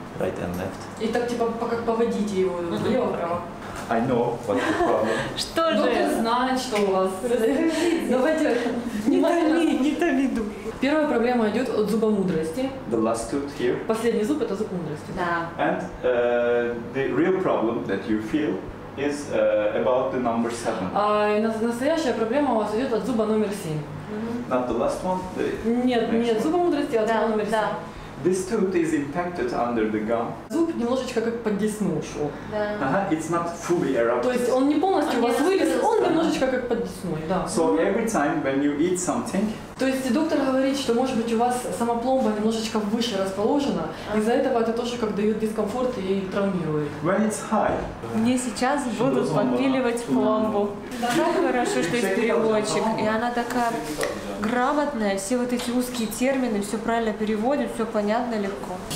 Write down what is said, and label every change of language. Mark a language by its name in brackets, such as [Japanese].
[English] Right and left. [Russian] И так типа, как поводите его влево-право. [English] I know what the problem. [Russian] Что же? Ну, ты знаешь, что у вас. Давайте внимательно. Не томи дух. Первая проблема идет от зуба мудрости. [English] The last tooth here. [Russian] Последний зуб – это зуб мудрости. Да. [English] And the real problem that you feel is about the number 7. [Russian] Настоящая проблема у вас идет от зуба номер 7. [English] Not the last one? The [Russian] нет, нет, [English] one. [Russian] Зуба мудрости, а да, зуба номер 7. Да. [English] This tooth is impacted under the gum. [Russian] Зуб немножечко как под десну ушел. Да. [English] Ага, it's not fully erupted. [Russian] То есть он не полностью у вас вылез, он немножечко как под десной, да. [English] So every time when you eat something. [Russian] То есть доктор говорит, что может быть у вас сама пломба немножечко выше расположена, из-за этого это тоже как дает дискомфорт и травмирует. [English] When it's high. [Russian] Мне сейчас будут подпиливать пломбу. Так хорошо, что есть переводчик, и она такая грамотная, все вот эти узкие термины, все правильно переводит, все понятно, легко.